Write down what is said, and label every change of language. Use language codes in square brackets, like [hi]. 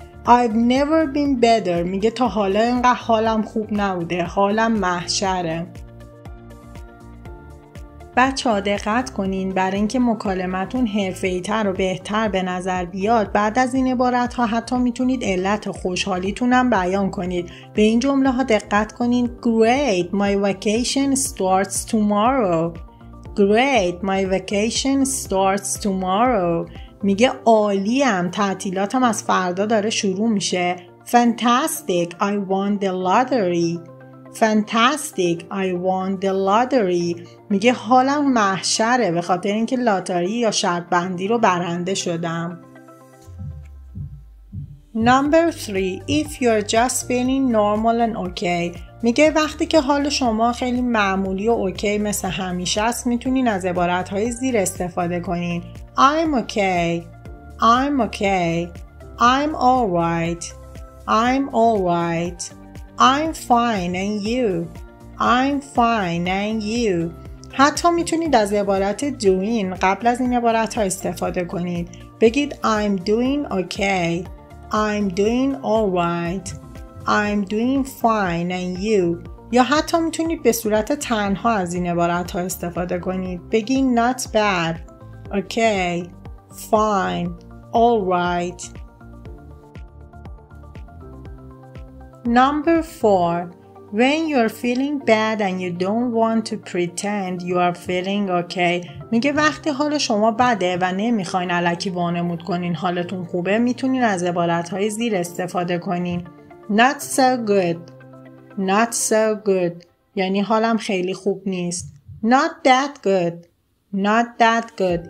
[en] I've never been better [fa] میگه تا حالا اینقدر حالم خوب نبوده، حالم محشره. بچه ها دقت کنین، برای اینکه مکالمتون حرفه‌ای‌تر و بهتر به نظر بیاد، بعد از این عبارت ها حتی میتونید علت خوشحالیتون هم بیان کنید. به این جمله ها دقت کنین. [en] Great, my vacation starts tomorrow. Great, my vacation starts tomorrow. [fa] میگه عالیم، تعطیلاتم از فردا داره شروع میشه. [en] Fantastic, I won the lottery. Fantastic, I won the lottery. [fa] میگه حالم محشره به خاطر اینکه لاتاری یا شرط بندی رو برنده شدم. [en] Number 3. If you're just feeling normal and okay. [fa] میگه وقتی که حال شما خیلی معمولی و اوکی مثل همیشه است، میتونین از عبارت‌های زیر استفاده کنین. [en] I'm okay. I'm okay. I'm all right. I'm all right. I'm fine and you. I'm fine and you. [fa] حتی میتونید از عبارت doing قبل از این عبارت ها استفاده کنید. بگید [en] I'm doing okay. I'm doing all right. I'm doing fine and you. [fa] یا حتی میتونید به صورت تنها از این عبارت ها استفاده کنید. بگید [en] not bad. Okay, fine, all right. Number 4. When you're feeling bad and you don't want to pretend you are feeling okay. [fa] میگه وقتی حال شما بده و نمیخواین الکی وانمود کنین حالتون خوبه، میتونین از عبارت‌های زیر استفاده کنین. [en] Not so good. Not so good. [fa] یعنی حالم خیلی خوب نیست. [en] Not that good. Not that good.